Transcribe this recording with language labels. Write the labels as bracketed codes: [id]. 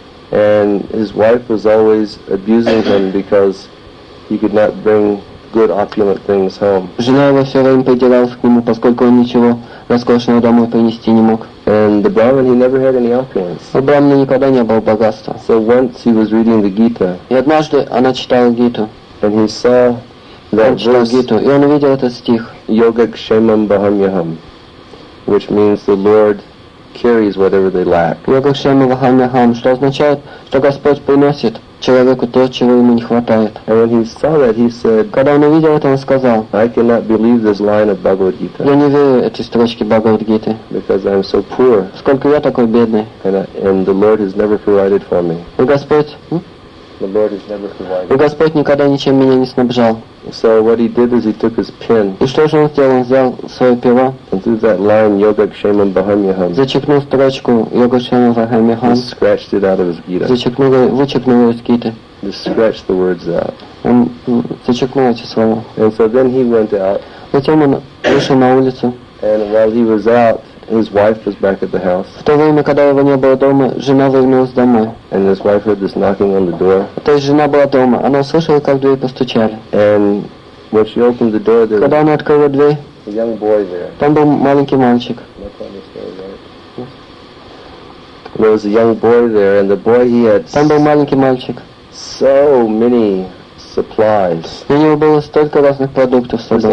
[en] And his wife was always abusing him because he could not bring good opulent things home. [ru] Жена его все время придиралась к нему, поскольку он ничего роскошного домой принести не мог. [en] And the brahmana, he never had any opulence. [ru] У брахмана никогда не было богатства. [en] So once he was reading the Gita. [ru] И однажды она читала Гиту. [en] And he saw that verse. [ru] И он увидел этот стих. [sa] Yoga kshemam bahamyaham, [en] which means the Lord carries whatever they lack. [sa] Yoga kshemam bahamyaham, [ru] что означает, что Господь приносит человеку то, чего ему не хватает. [en] And when he saw that, he said, [ru] когда он увидел это, он сказал, [en] I cannot believe this line of Bhagavad Gita. [ru] Я не верю этой строчке Бхагавад Гиты. [en] Because I'm so poor. [ru] Сколько я такой бедный. [en] And the Lord has never provided for me. [ru] И Господь, [en] The Lord has never provided. [ru] И Господь никогда ничем меня не снабжал. [en] So what he did is he took his pen. [ru] И что же он сделал? Он взял свое перо. [en] And through that line, [sa] Yoga Kshemam Bahamyaham. [ru] Зачеркнул строчку [sa] Yoga Kshemam Bahamyaham. [en] He scratched it out of his Gita. [ru] Вычеркнул из Гиты. [en] He scratched the words out. [ru] Он зачеркнул эти слова. [en] And so then he went out. [ru] Затем он вышел на улицу. [en] And while he was out, his wife was back at the house. [ru] В то время, когда его не было дома, жена вернулась домой. [en] And his wife heard this knocking on the door. [ru] То есть жена была дома. Она услышала, как в дверь постучали. [en] And when she opened the door, there [ru] когда она открыла дверь, [en] a young boy there. [ru] Там был маленький мальчик. [en] There was a young boy there, and the boy he had. [ru] Там был маленький мальчик. [en] So many supplies. [ru] У него было столько разных продуктов с собой.